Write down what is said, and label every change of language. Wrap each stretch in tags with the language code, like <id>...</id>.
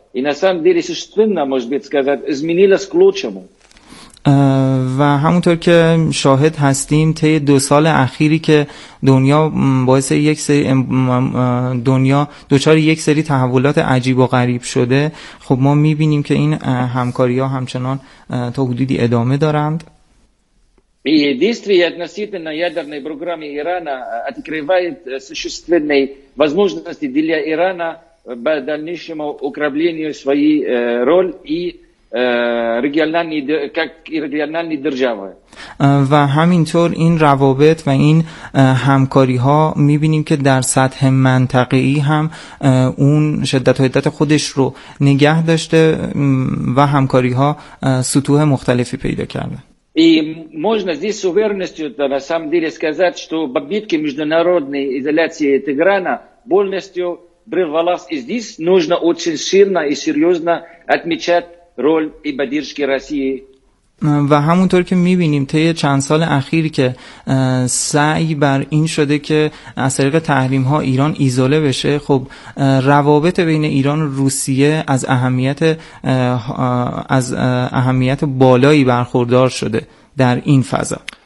<ru>И на самом деле существенно, может быть, сказать, изменилось к лучшему.</ru> <fa>و همونطور که شاهد هستیم طی دو سال اخیری که دنیا باعث یک سری دنیا دوچار یک سری تحولات عجیب و غریب شده، خب ما می‌بینیم که این همکاری‌ها همچنان تا حدودی ادامه دارند.</fa> <ru>Действия относительно ядерной программы Ирана открывает существенные возможности для Ирана по дальнейшему укреплению своей роли и региональной как региональной державы.</ru> <fa>و همینطور این روابط و این همکاری‌ها می‌بینیم که در سطح منطقه‌ای هم اون شدت و حدت خودش رو نگه داشته و همکاری‌ها سطوح مختلفی پیدا کرده.</fa> <ru>И можно здесь с уверенностью на самом деле сказать, что попытки международной изоляции Тиграна полностью прервалась. И здесь нужно очень сильно и серьезно отмечать роль и поддержки России.</ru> <fa>و همونطور که می‌بینیم طی چند سال اخیر که سعی بر این شده که از طریق تحریم‌ها ایران ایزوله بشه، خب روابط بین ایران و روسیه از اهمیت بالایی برخوردار شده در این فضا.</fa>